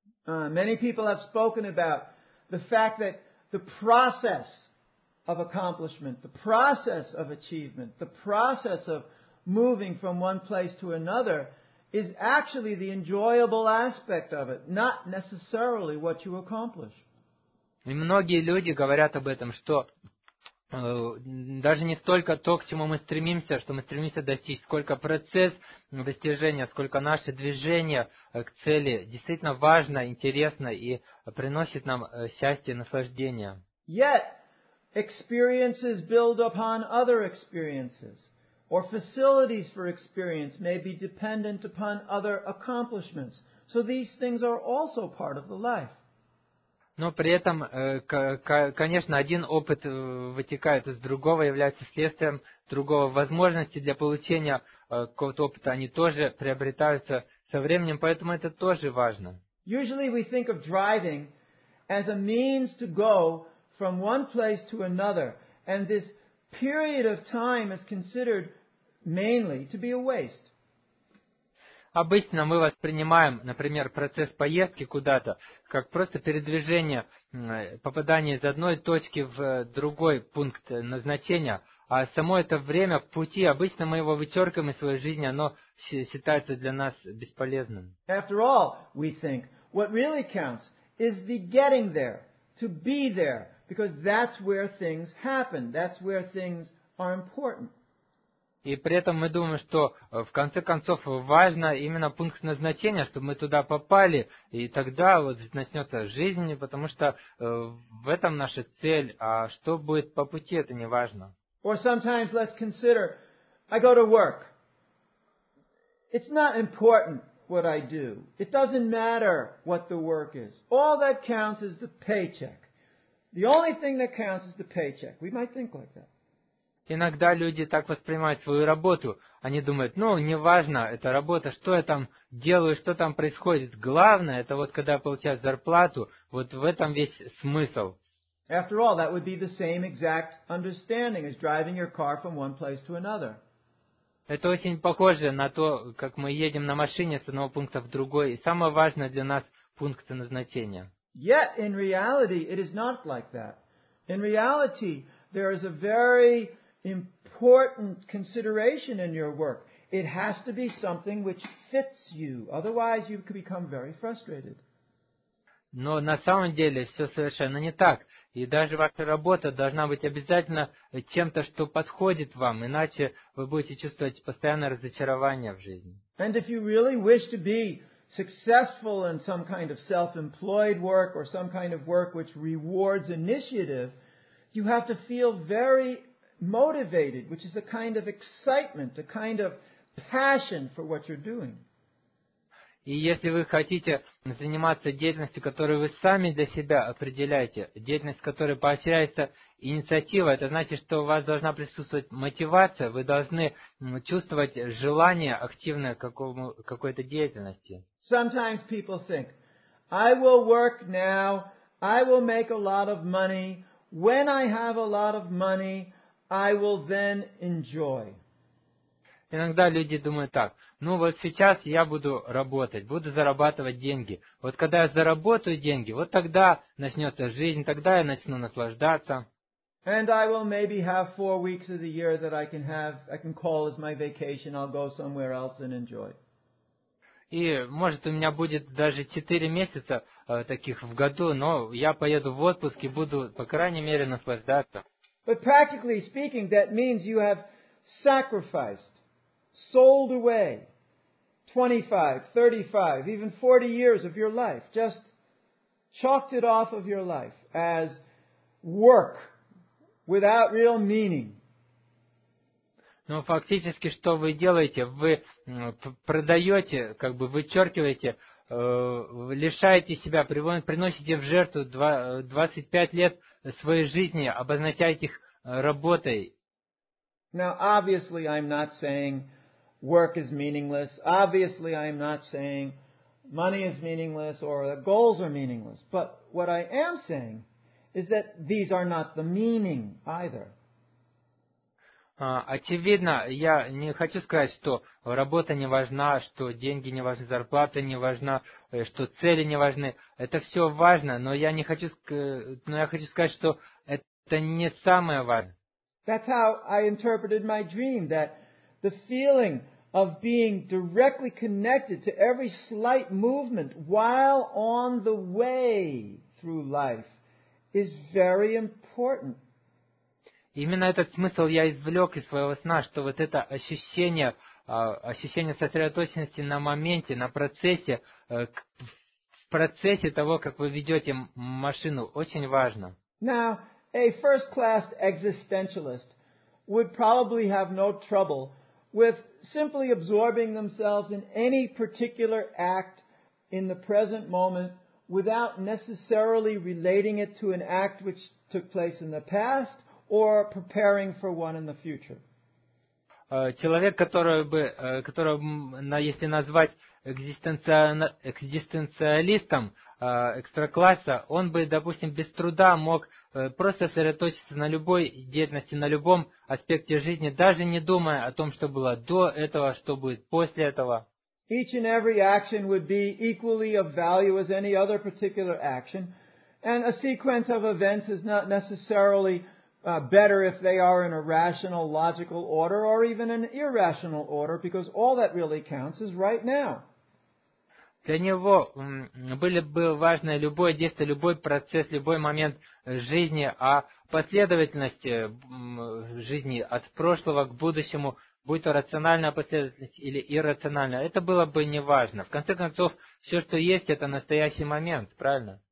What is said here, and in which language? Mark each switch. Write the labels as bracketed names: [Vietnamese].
[English] Many people have spoken about the fact that the process of accomplishment, the process of achievement, the process of moving from one place to another is actually the enjoyable aspect of it, not necessarily what you accomplish. [Russian] И многие люди говорят об этом, что даже не столько то, к чему мы стремимся, что мы стремимся достичь, сколько процесс достижения, сколько наше движение к цели действительно важно, интересно и приносит нам счастье, наслаждение. [English] Yet, experiences build upon other experiences. Or facilities for experience may be dependent upon other accomplishments. So these things are also part of the life. [Russian] Но при этом, конечно, один опыт вытекает из другого, является следствием другого. Возможности для получения какого-то опыта, они тоже приобретаются со временем, поэтому это тоже важно. [English] Usually we think of driving as a means to go from one place to another, and this period of time is considered mainly to be a waste. [Russian] Обычно мы воспринимаем, например, процесс поездки куда-то как просто передвижение, попадание из одной точки в другой пункт назначения, а само это время в пути, обычно мы его вычеркиваем из своей жизни, оно считается для нас бесполезным. [English] After all, we think what really counts is the getting there, to be there, because that's where things happen, that's where things are important. [Russian] И при этом мы думаем, что в конце концов важно именно пункт назначения, чтобы мы туда попали, и тогда вот начнется жизнь, потому что в этом наша цель, а что будет по пути, это не важно. [English] Or sometimes let's consider, I go to work. It's not important what I do. It doesn't matter what the work is. All that counts is the paycheck. The only thing that counts is the paycheck. We might think like that. [Russian] Иногда люди так воспринимают свою работу. Они думают, ну, неважно, это работа, что я там делаю, что там происходит. Главное, это вот когда я получаю зарплату, вот в этом весь смысл. [English] After all, that would be the same exact understanding as driving your car from one place to another. [Russian] Это очень похоже на то, как мы едем на машине с одного пункта в другой. И самое важное для нас пункт назначения. [English] Yet, in reality, it is not like that. In reality, there is a very important consideration in your work. It has to be something which fits you. Otherwise, you could become very frustrated. [Russian] Но на самом деле все совершенно не так. И даже ваша работа должна быть обязательно чем-то, что подходит вам, иначе вы будете чувствовать постоянное разочарование в жизни. [English] And if you really wish to be successful in some kind of self-employed work or some kind of work which rewards initiative, you have to feel very motivated, which is a kind of excitement, a kind of passion for what you're doing. [Russian] И если вы хотите заниматься деятельностью, которую вы сами для себя определяете, деятельность, которая поощряется инициативой, это значит, что у вас должна присутствовать мотивация, вы должны чувствовать желание активное какой-то деятельности. [English] Sometimes people think, I will work now, I will make a lot of money, when I have a lot of money, I will then enjoy. [Russian] Иногда люди думают так, ну вот сейчас я буду работать, буду зарабатывать деньги. Вот когда я заработаю деньги, вот тогда начнется жизнь, тогда я начну наслаждаться. [English] And I will maybe have 4 weeks of the year that I can call as my vacation, I'll go somewhere else and enjoy. [Russian] И может у меня будет даже 4 месяца таких в году, но я поеду в отпуск и буду, по крайней мере, наслаждаться. [English] But practically speaking, that means you have sacrificed. Sold away 25, 35, even 40 years of your life, just chalked it off of your life as work without real meaning. [Russian] Но фактически, что вы делаете? Вы продаете, как бы вычеркиваете, лишаете себя, приносите в жертву 25 лет своей жизни, обозначаете их работой. [English] Now, obviously, I'm not saying work is meaningless. Obviously, I'm not saying money is meaningless or the goals are meaningless. But what I am saying is that these are not the meaning either. [Russian] Очевидно, я не хочу сказать, что работа не важна, что деньги не важны, зарплата не важна, что цели не важны. Это все важно, но я хочу сказать, что это не самое важное. [English] That's how I interpreted my dream, that the feeling of being directly connected to every slight movement while on the way through life is very important. [Russian] Именно этот смысл я извлек из своего сна, что вот это ощущение сосредоточенности на моменте, на процессе, в процессе того, как вы ведете машину, очень важно. [English] Now, a first-class existentialist would probably have no trouble with simply absorbing themselves in any particular act in the present moment without necessarily relating it to an act which took place in the past or preparing for one in the future. [Russian] Человек, которого, если назвать экзистенциалистом экстракласса, он бы, допустим, без труда мог просто сосредоточиться на любой деятельности, на любом аспекте жизни, даже не думая о том, что было до этого, что будет после этого. [English] Each and every action would be equally of value as any other particular action, and a sequence of events is not necessarily better if they are in a rational, logical order or even an irrational order, because all that really counts is right now. [Russian] Для него были бы важны любое действие, любой процесс, любой момент жизни, а последовательность жизни от прошлого к будущему, будь то рациональная последовательность или иррациональная, это было бы неважно. В конце концов, все, что есть, это настоящий момент, правильно?